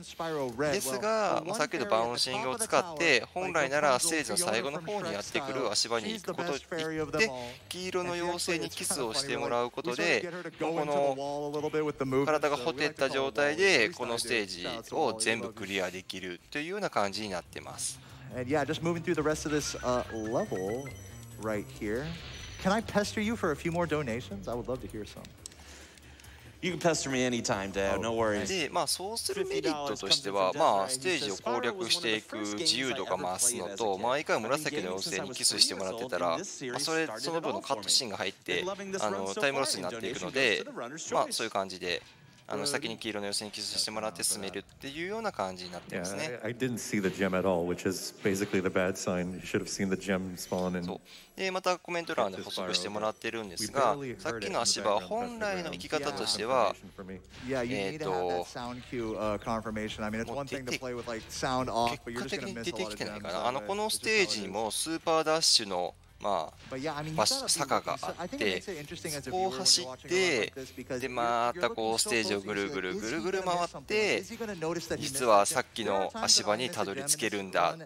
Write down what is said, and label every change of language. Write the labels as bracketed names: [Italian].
[Japanese] ですが、まあ、さっき言ったバウンシングを使って本来ならステージの最後の方にやってくる足場に行くことで黄色の妖精にキスをしてもらうことでこの体がほてった状態でこのステージを全部クリアできるというような感じになってます。 [English] Right here. Can I pester you for a few more donations? I would love to hear some. You can pester me anytime, Dad. No worries. [Japanese] で、まあそうするメリットとしては、まあステージを攻略していく自由度が増すのと、まあ一回紫色の妖精にキスしてもらってたら、まあ、それその分のカットシーンが入って、タイムロスになっていくので、まあそういう感じで。先に黄色の妖精にキスしてもらって進めるっていうような感じになってますね。 [English] Yeah, I didn't see the gem at all, which is basically the bad sign. You should have seen the gem spawn and... [Japanese] で、またコメント欄で補足してもらってるんですが、さっきの足場は本来の生き方としては、結果的に出てきてないかな。このステージにもスーパーダッシュのまあ、坂があってそこを走ってでまたこうステージをぐるぐるぐるぐる回って実はさっきの足場にたどり着けるんだ。